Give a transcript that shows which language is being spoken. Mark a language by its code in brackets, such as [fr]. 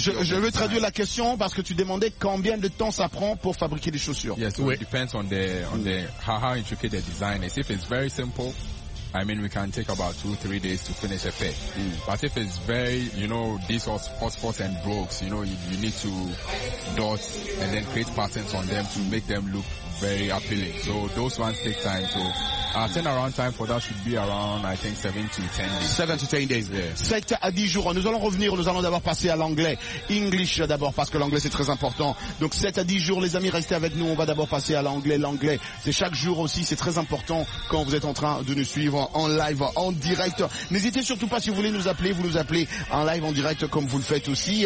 [fr] Je veux traduire la question parce que tu demandais combien de temps ça prend pour fabriquer des chaussures. [en] Yes, so oui. It depends on how intricate the design is. If it's very simple, I mean, we can take about 2-3 days to finish a pair. Mm. But if it's very, you know, these are hotspots and brogues, you know, you need to dot and then create patterns on them to make them look very appealing. So those ones take time. So our turnaround time for that should be around, I think, 7 to 10 days. 7 to 10 days. Yeah. [fr] 7 à 10 jours. Nous allons revenir. Nous allons d'abord passer à l'anglais. English d'abord, parce que l'anglais c'est très important. Donc 7 à 10 jours, les amis, restez avec nous. On va d'abord passer à l'anglais. L'anglais, c'est chaque jour aussi. C'est très important quand vous êtes en train de nous suivre en live, en direct. N'hésitez surtout pas, si vous voulez nous appeler, vous nous appelez en live, en direct, comme vous le faites aussi.